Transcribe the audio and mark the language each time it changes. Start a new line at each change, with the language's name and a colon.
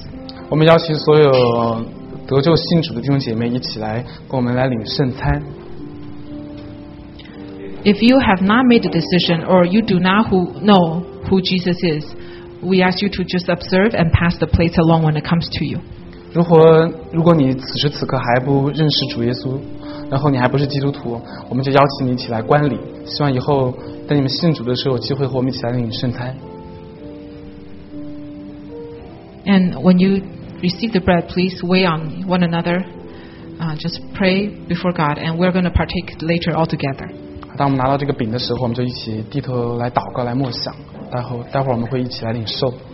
English: We invite all the believers in Christ to come and receive the communion. If you have not made a decision or you do not know who Jesus is, we ask you to just observe and pass the plate along when it comes to you.
Chinese: 如果你此时此刻还不认识主耶稣，然后你还不是基督徒，我们就邀请你一起来观礼，希望以后等你们信主的时候有机会和我们一起来领圣餐。
English: And when you receive the bread, please wait on one another, just pray before God, and we're going to partake later all together.
Chinese: 当我们拿到这个饼的时候，我们就一起低头来祷告，来默想，然后待会儿我们会一起来领受。